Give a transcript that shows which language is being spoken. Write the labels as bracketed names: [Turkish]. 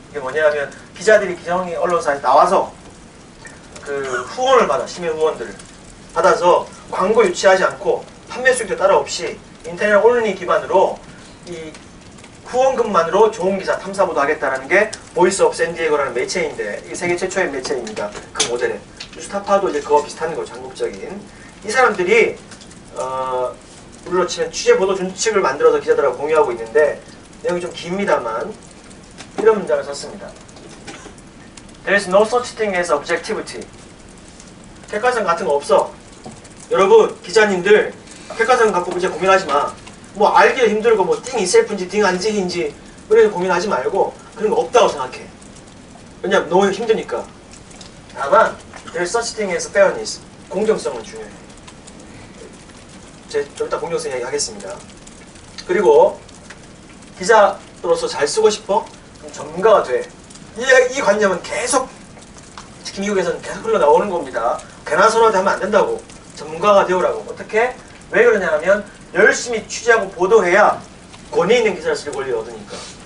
[Korean] 이게 뭐냐 하면 기자들이 기성의 언론사에 나와서 그 후원을 받아 시민 후원들을 받아서 광고 유치하지 않고 판매 수익도 따로 없이 인터넷 온리 기반으로 이 후원금만으로 좋은 기사 탐사보도 하겠다는 게 보이스 오브 샌디에고라는 매체인데 이게 세계 최초의 매체입니다. 그 모델에 뉴스타파도 이제 그거 비슷한 거죠. 전국적인 이 사람들이 우리로 치면 취재 보도 준칙을 만들어서 기자들하고 공유하고 있는데 내용이 좀 깁니다만 이런 문장을 썼습니다. [English] There is no such thing as objectivity. [Korean] 객관성 같은 거 없어. 여러분 기자님들 객관성 갖고 이제 고민하지 마. 뭐 알기도 힘들고 뭐 [English] thing itself [Korean] 인지 thing 안지인지 그래서 고민하지 말고 그런 거 없다고 생각해. 왜냐면 너무 힘드니까. 다만 [English] there is such thing as fairness. [Korean] 공정성은 중요해. 제가 좀 이따 공정성 이야기 하겠습니다. 그리고 기자로서 잘 쓰고 싶어? 그럼 전문가가 돼. 이 관념은 계속 특히 미국에서는 계속 흘러나오는 겁니다. 괜한 선호한테 하면 안 된다고. 전문가가 되오라고. 어떻게? 왜 그러냐 하면 열심히 취재하고 보도해야 권위 있는 기사를 쓸 권리를 얻으니까.